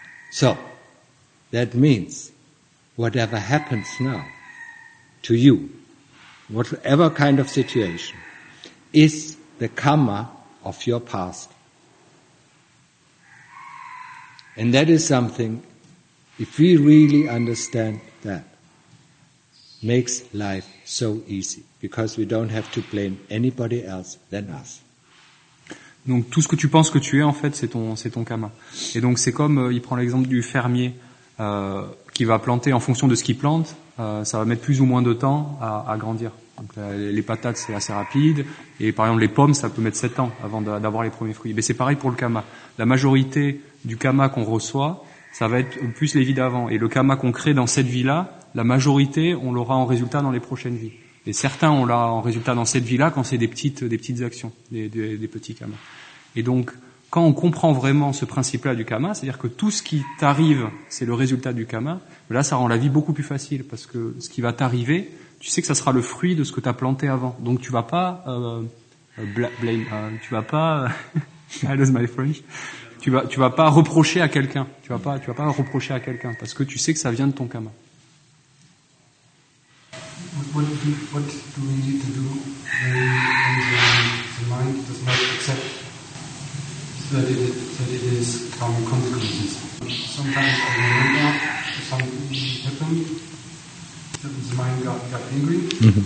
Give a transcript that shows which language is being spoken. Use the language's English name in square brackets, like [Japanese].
[English] So, that means whatever happens now to you, whatever kind of situation, is the karma of your past. And that is something, if we really understand that, makes life so easy, because we don't have to blame anybody else than us. [French] Donc tout ce que tu penses que tu es, en fait, c'est ton karma. Et donc c'est comme, il prend l'exemple du fermier qui va planter, en fonction de ce qu'il plante, ça va mettre plus ou moins de temps à grandir. Donc les patates, c'est assez rapide, et par exemple les pommes, ça peut mettre 7 ans avant d'avoir les premiers fruits. Mais c'est pareil pour le karma. La majorité du karma qu'on reçoit, ça va être plus les vies d'avant. Et le karma qu'on crée dans cette vie-là, la majorité, on l'aura en résultat dans les prochaines vies. Et certains, on l'a en résultat dans cette vie-là quand c'est des petites actions, des petits karmas. Et donc, quand on comprend vraiment ce principe-là du karma, c'est-à-dire que tout ce qui t'arrive, c'est le résultat du karma, là, ça rend la vie beaucoup plus facile, parce que ce qui va t'arriver, tu sais que ça sera le fruit de ce que t'as planté avant. Donc, tu vas pas tu vas pas reprocher à quelqu'un. Tu vas pas reprocher à quelqu'un, parce que tu sais que ça vient de ton karma. [English] What do we need to do when the mind does not accept that it is from consequences? Sometimes I remember something happened, the mind got angry, mm-hmm.